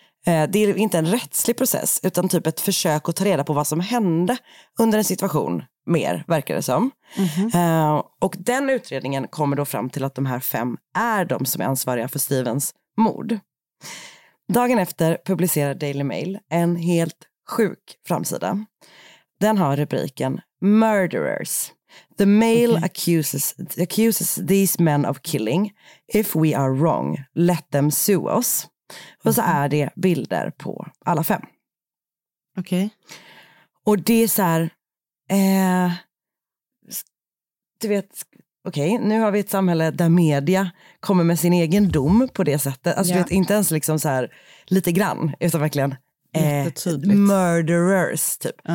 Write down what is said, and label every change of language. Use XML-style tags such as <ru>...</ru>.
<sv>Det är inte en rättslig process, utan typ ett försök att ta reda på vad som hände under en situation, mer verkar det som. Och den utredningen kommer då fram till att de här fem är de som är ansvariga för Stevens mord. Dagen efter publicerar Daily Mail en helt sjuk framsida. Den har rubriken Murderers.</sv> <en>The Mail accuses these men of killing. If we are wrong, let them sue us.</en> <sv>Och så är det bilder på alla fem. Okej.</sv> <en>Okay.</en> <sv>Och det är så här, du vet, okej, okay, nu har vi ett samhälle där media kommer med sin egen dom på det sättet. Alltså, yeah. Du vet, inte ens liksom så här lite grann, utan verkligen murderers, typ.</sv>